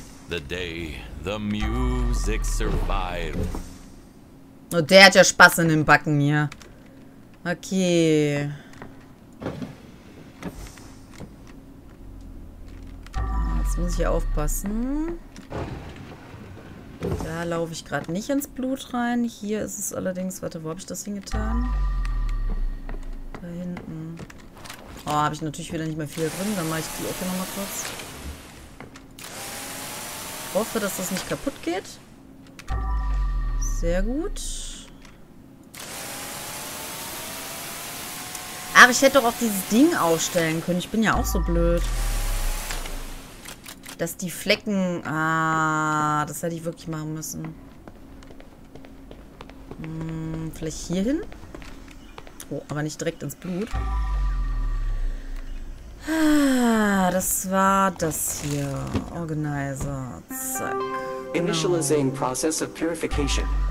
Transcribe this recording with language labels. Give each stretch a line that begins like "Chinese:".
English: The day the music survived.
German: Oh, der hat ja Spaß in den Backen hier. Okay. Jetzt muss ich aufpassen. Da laufe ich gerade nicht ins Blut rein. Hier ist es allerdings. Warte, wo habe ich das hingetan? Da hinten. Oh, habe ich natürlich wieder nicht mehr viel drin. Dann mache ich die Ecke nochmal kurz. Ich hoffe, dass das nicht kaputt geht. Sehr gut. Ach, ich hätte doch auch dieses Ding aufstellen können. Ich bin ja auch so blöd. Dass die Flecken... Ah, das hätte ich wirklich machen müssen. Hm, vielleicht hier hin? Oh, aber nicht direkt ins Blut. Ah. das war das hier. Organizer. Zack. Genau.
English: Initializing process of purification.